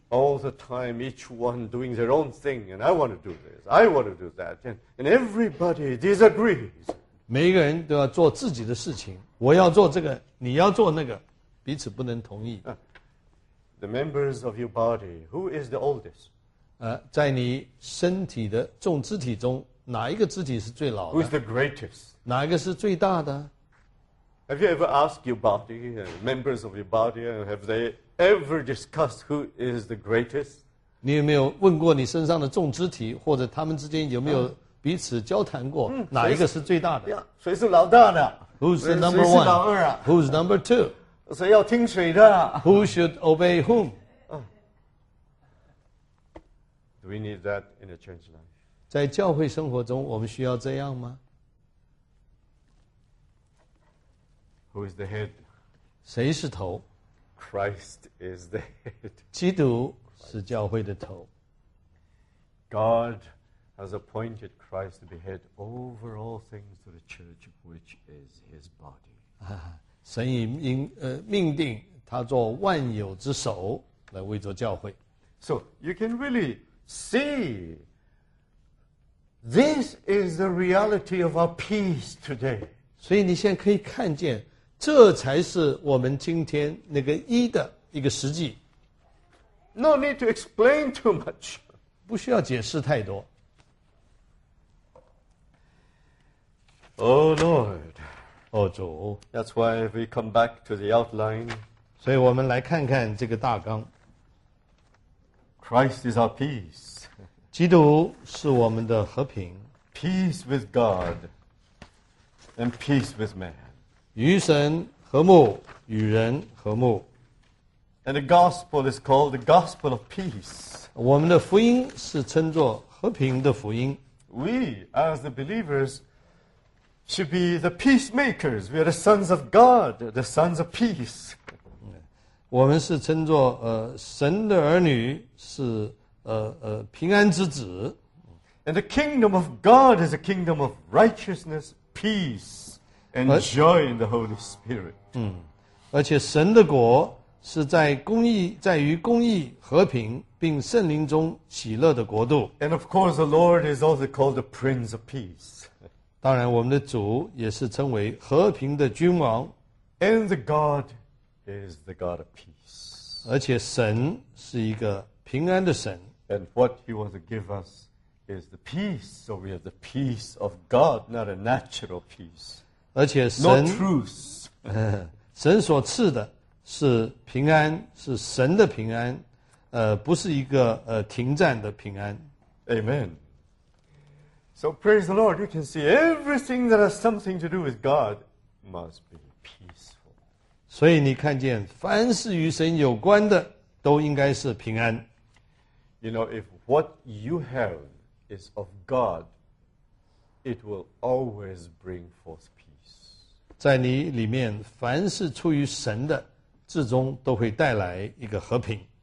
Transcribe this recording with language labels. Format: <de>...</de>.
<en>All the time each one doing their own thing and I want to do this, I want to do that, and everybody disagrees.</en> <zh>每一个人都要做自己的事情，我要做这个，你要做那个。彼此不能同意。</zh> <en>The members of your body, who is the oldest?</en> <zh>在你身体的众肢体中，哪一个肢体是最老的？</zh> <en>Who is the greatest?</en> <zh>哪一个是最大的？</zh> <en>Have you ever asked your body, members of your body, have they ever discussed who is the greatest?</en> <zh>你有没有问过你身上的众肢体，或者他们之间有没有彼此交谈过，哪一个是最大的？谁是老大的？</zh> <en>Who's the number one?</en> <zh>谁是老二啊？</zh> <en>Who's number two?</en> <zh>谁要听谁的</zh> <en>？Who should obey whom? Do we need that in a church life?</en> <zh>在教会生活中，我们需要这样吗</zh> <en>？Who is the head?</en> <zh>谁是头</zh> <en>？Christ is the head.</en> <zh>基督是教会的头。</zh> <en>God has appointed Christ to be head over all things to the church, which is His body.</en> <zh>神已命定他做万有之首来为着教会。</zh> <en>So you can really see this is the reality of our peace today.</en> <zh>所以你现在可以看见这才是我们今天那个一的一个实际。</zh> <en>No need to explain too much.</en> <zh>不需要解释太多。</zh> <en>Oh Lord.</en> <zh>Oh, 主</zh> <en>That's why we come back to the outline.</en> <zh>所以我们来看看这个大纲。</zh> <en>Christ is our peace.</en> <zh>基督是我们的和平。</zh> <en>Peace with God and peace with man.</en> <zh>与神和睦，与人和睦。</zh> <en>And the gospel is called the gospel of peace.</en> <zh>我们的福音是称作和平的福音。</zh> <en>We, as the believers,Should be the peacemakers. We are the sons of God, the sons of peace.</en> <zh>我们是称作神的儿女，是平安之子。</zh> <en>And the kingdom of God is a kingdom of righteousness, peace, and joy in the Holy Spirit.</en> <zh>而且神的国是在公义，在于公义、和平，并圣灵中喜乐的国度。</zh> <en>And of course, the Lord is also called the Prince of Peace.</en> <zh>当然，我们的主也是称为和平的君王。</zh> <en>And the God is the God of peace.</en> <zh>而且神是一个平安的神。</zh> <en>And what He wants to give us is the peace. So we have the peace of God, not a natural peace.</en> <zh>而且神</zh> <en>Not truth.</en> <zh>神所赐的是平安，是神的平安，不是一个停战的平安。</zh> <en>Amen. So praise the Lord, you can see everything that has something to do with God must be peaceful.</en> <zh>所以你看见凡是与神有关的都应该是平安。</zh> <en>You know, if what you have is of God, it will always bring forth peace.</en> <zh>在你里面凡是出于神的至终都会带来一个和平。</zh>